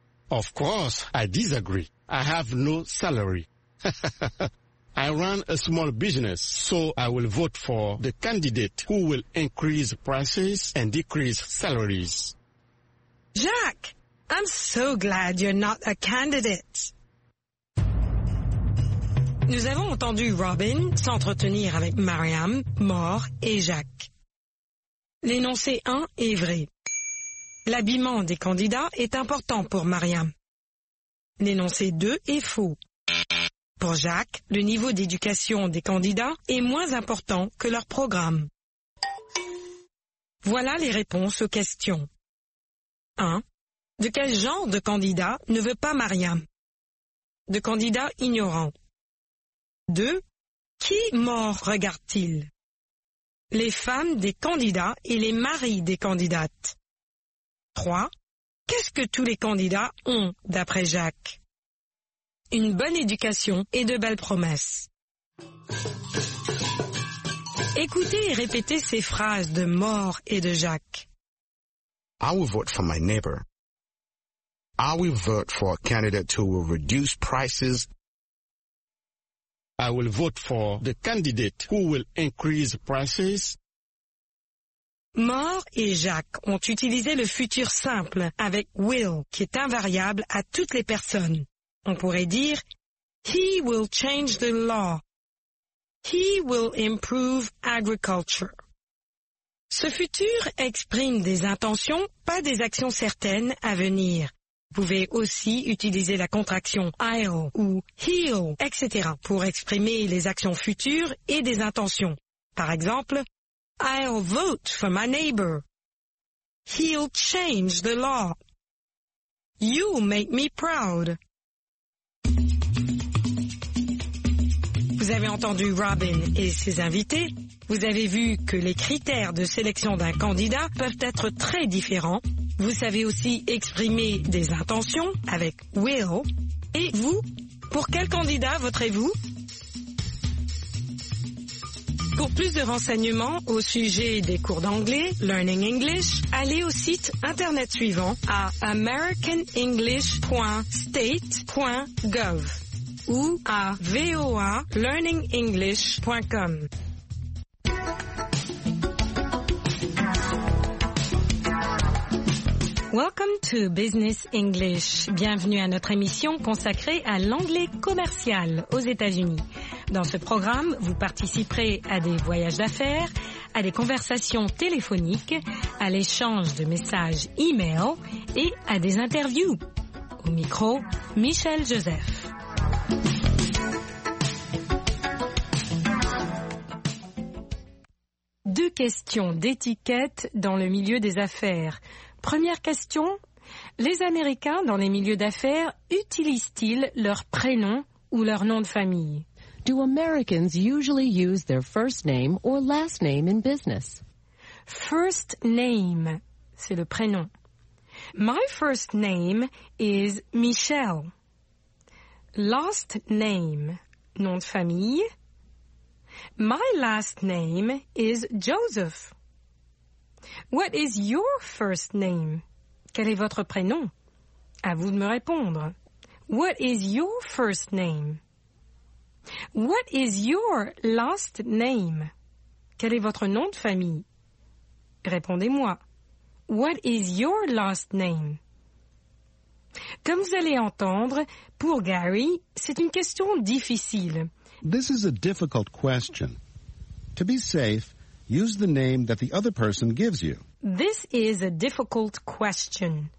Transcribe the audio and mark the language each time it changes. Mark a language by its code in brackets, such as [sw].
[en] Of course, I disagree. I have no salary. I run a small business, so I will vote for the candidate who will increase prices and decrease salaries. Jacques, I'm so glad you're not a candidate. [fr] Nous avons entendu Robin s'entretenir avec Mariam, Moore et Jacques. L'énoncé 1 est vrai. L'habillement des candidats est important pour Mariam. L'énoncé 2 est faux. Pour Jacques, le niveau d'éducation des candidats est moins important que leur programme. Voilà les réponses aux questions. 1. De quel genre de candidat ne veut pas Mariam? De candidat ignorant. 2. Qui mort regarde-t-il? Les femmes des candidats et les maris des candidates. 3. Qu'est-ce que tous les candidats ont, d'après Jacques? Une bonne éducation et de belles promesses. Écoutez et répétez ces phrases de Moore et de Jacques. [en] I will vote for my neighbor. I will vote for a candidate who will reduce prices. I will vote for the candidate who will increase prices. [fr] Moore et Jacques ont utilisé le futur simple avec will, qui est invariable à toutes les personnes. On pourrait dire, [en] he will change the law. He will improve agriculture. [fr] Ce futur exprime des intentions, pas des actions certaines à venir. Vous pouvez aussi utiliser la contraction I'll ou he'll, etc. pour exprimer les actions futures et des intentions. Par exemple, [en] I'll vote for my neighbor. He'll change the law. You'll make me proud. [fr] Vous avez entendu Robin et ses invités. Vous avez vu que les critères de sélection d'un candidat peuvent être très différents. Vous savez aussi exprimer des intentions avec will. Et vous, pour quel candidat voterez-vous? Pour plus de renseignements au sujet des cours d'anglais, Learning English, allez au site internet suivant à americanenglish.state.gov ou à voalearningenglish.com. [en] Welcome to Business English. [fr] Bienvenue à notre émission consacrée à l'anglais commercial aux États-Unis. Dans ce programme, vous participerez à des voyages d'affaires, à des conversations téléphoniques, à l'échange de messages e-mail et à des interviews. Au micro, Michel Joseph. Deux questions d'étiquette dans le milieu des affaires. Première question, les Américains dans les milieux d'affaires utilisent-ils leur prénom ou leur nom de famille? [en] Do Americans usually use their first name or last name in business? First name, [fr] c'est le prénom. [en] My first name is Michel. Last name, [fr] nom de famille. [en] My last name is Joseph. What is your first name? [fr] Quel est votre prénom? À vous de me répondre. [en] What is your first name? What is your last name? [fr] Quel est votre nom de famille? Répondez-moi. [en] What is your last name? [fr] Comme vous allez entendre, pour Gary, c'est une question difficile. [en] This is a difficult question. To be safe, use the name that the other person gives you. This is a difficult question.